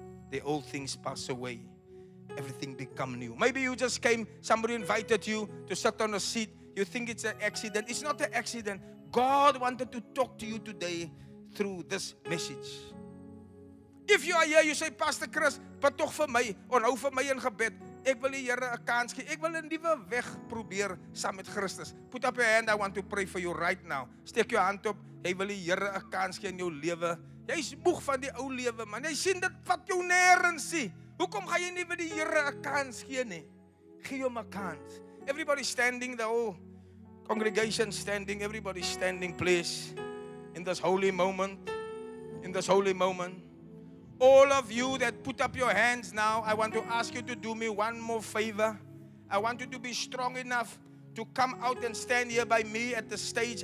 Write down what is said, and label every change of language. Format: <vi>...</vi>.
<en>The old things pass away. Everything become new. Maybe you just came, somebody invited you to sit on a seat. You think it's an accident. It's not an accident. God wanted to talk to you today through this message. If you are here, you say, Pastor Chris, but</en> <af>toch vir my,</af> <en>or</en> <af>nou vir my in gebed. Ek wil die Here 'n kans gee. Ek wil 'n nuwe weg probeer saam met Christus.</af> <en>Put up your hand. I want to pray for you right now.</en> <af>Steek jou hand op. Jy wil die Here 'n kans gee in jou lewe. Jy's moeg van die ou lewe, man. Jy sien dit vat jou nêrens nie. Hoekom gaan jy nie vir die Here 'n kans gee nie? Gee hom 'n kans.</af> <en>Everybody standing, the whole congregation standing, everybody standing, please. In this holy moment. In this holy moment. All of you that put up your hands now, I want to ask you to do me one more favor. I want you to be strong enough to come out and stand here by me at the stage.</en>